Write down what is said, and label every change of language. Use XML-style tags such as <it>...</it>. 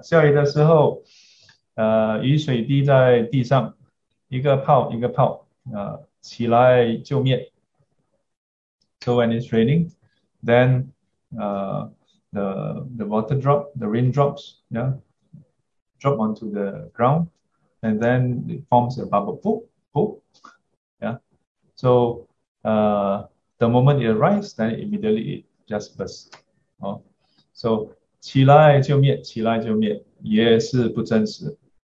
<zh>下雨的时候, 雨水滴在地上, 一个泡, 一个泡, 起来就灭.</zh> <en>So when it's raining, then the water drop, the rain drops, yeah, drop onto the ground, and then it forms a bubble. Boop, boop. Yeah. So the moment it arrives, then immediately it just bursts. Oh. So</en> <zh>起来就灭, 起来就灭, 也是不真实.</zh>